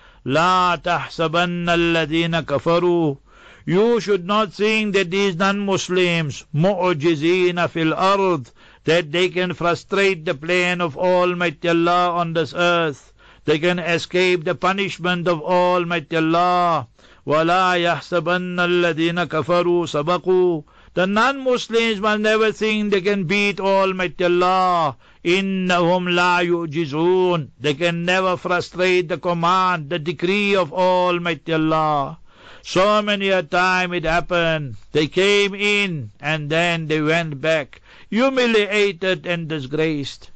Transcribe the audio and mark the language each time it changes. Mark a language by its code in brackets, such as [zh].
[ar] لا تحسبن الذين كفروا. [en] You should not think that these non-Muslims, [ar] معجزين في الأرض, [en] that they can frustrate the plan of Almighty Allah on this earth. They can escape the punishment of Almighty Allah. [ar] ولا يحسبن الذين كفروا سبقوا. [en] The non-Muslims will never think they can beat Almighty Allah. [ar] إِنَّهُمْ لَا يُعْجِزُونَ. [en] They can never frustrate the command, the decree of Almighty Allah. So many a time it happened, they came in and then they went back, humiliated and disgraced.